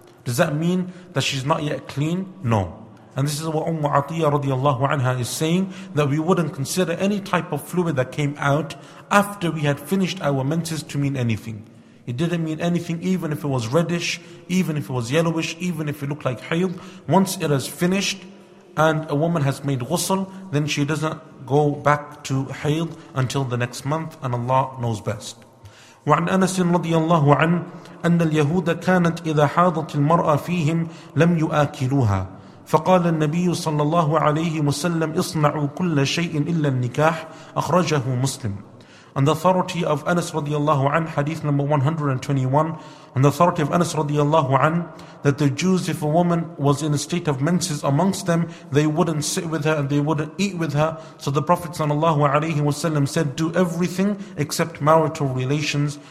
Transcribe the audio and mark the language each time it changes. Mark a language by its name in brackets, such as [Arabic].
[English] Does that mean that she's not yet clean? No. And this is what Atiyyah radiallahu anha is saying, that we wouldn't consider any type of fluid that came out after we had finished our menses to mean anything. It didn't mean anything, even if it was reddish, even if it was yellowish, even if it looked like hayd. Once it has finished and a woman has made ghusl, then she doesn't go back to hayd until the next month, and Allah knows best. [Arabic] وعن أنس رضي الله عنه أن اليهود كانت إذا حاضت المرأة فيهم لم يؤكلوها فقال النبي صلى الله عليه وسلم اصنعوا كل شيء إلا النكاح أخرجه مسلم. [English] And the authority of Anas radiallahu anh, hadith number 121, and the authority of Anas radiallahu anh, that the Jews, if a woman was in a state of menses amongst them, they wouldn't sit with her and they wouldn't eat with her. So the Prophet sallallahu alayhi wasallam said, do everything except marital relations.